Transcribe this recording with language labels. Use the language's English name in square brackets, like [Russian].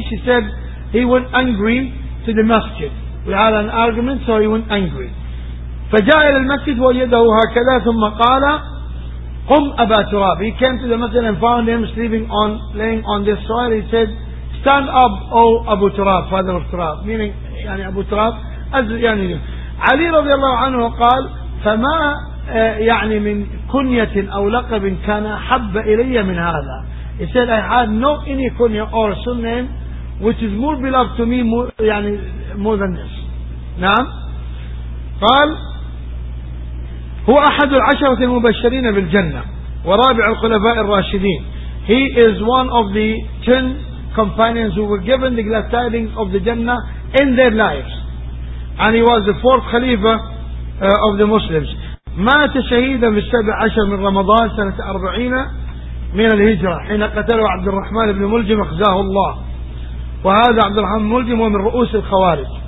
[English] She said he went angry to the masjid. We had an argument, so he went angry. [Arabic] فجاء إلى المسجد ويده هكذا ثم قال قم أبا تراب. [English] He came to the masjid and found him sleeping on, laying on this soil. He said, stand up, O Abu Turab, father of Turab, meaning يعني Abu Turab. [Arabic] يعني علي رضي الله عنه قال فما يعني من كنية أو لقب كان حب إلي من هذا. [English] He said I had no any kunya or surname which is more beloved to me more, يعني more than this. [Arabic] نعم. قال هو أحد العشرة المبشرين بالجنة ورابع الخلفاء الراشدين. [English] He is one of the 10 companions who were given the glad tidings of the Jannah in their lives, and he was the 4th Khalifa of the Muslims. [Arabic] مات شهيدا في 17 من رمضان سنة 40 من الهجرة حين قتله عبد الرحمن بن ملجم أخزاه الله. وهذا عبد الرحمن ملجم هو من رؤوس الخوارج.